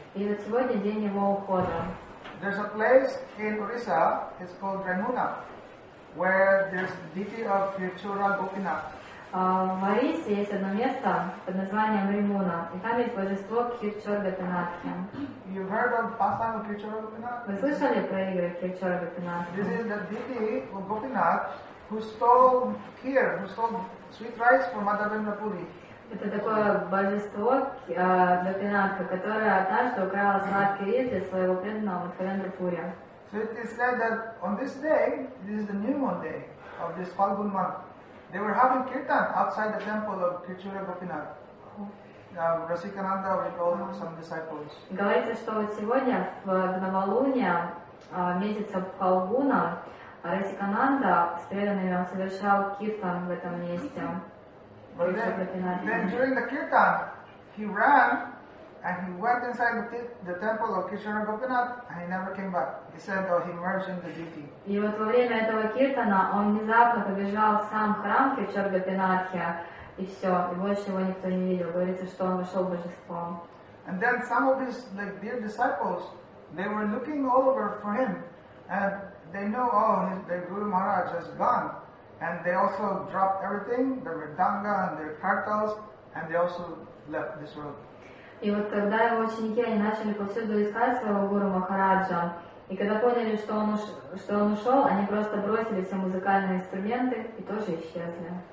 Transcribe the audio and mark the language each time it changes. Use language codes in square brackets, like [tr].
[ru] И вот сегодня день его ухода. [en] There's a place in Orissa, it's called Remuna, where there's deity of Virchura Gopinath. [ru] В Орисе есть одно место под названием Римуна, и там есть божество Кхирчор Гопинатхи. [en] You've heard of pastime of Kirchhora Gopinath? [ru] Вы слышали про игры Кхирчора Гопинатхи? [en] This is the deity of Gopinath who stole kheer, who stole sweet rice from Mother Vrindapuri. [ru] Это такое божество Гопинатхи, которое однажды украло сладкий рис для своего преданного Вриндапури. [en] So it is said that on this day, this is the new moon day of this Phalgun month. They were having kirtan outside the temple of Kirchhora Gopinath. Rasikananda with all some disciples. [ru] Говорится, что вот сегодня в новолуние месяца Фалгуна Расикананда с преданными совершал киртан в этом месте. [en] Then during the kirtan, he ran and he went inside the temple of Kirchhora Gopinath and he never came back. He said, oh, he merged in the deity. [ru] И вот во время этого киртана он внезапно побежал в сам храм Кирчор Гопинатхи, и все, и больше его никто не видел. Говорится, что он вошел в божество. [en] And then some of his like dear disciples, they were looking all over for him, and they know, oh, the Guru Maharaj has gone, and they also dropped everything, their mridanga and their kartals, and they also left this world. [ru] И вот когда его ученики, они начали повсюду искать своего Гуру Махараджа, и когда поняли, что он ушел, они просто бросили все музыкальные инструменты и тоже исчезли.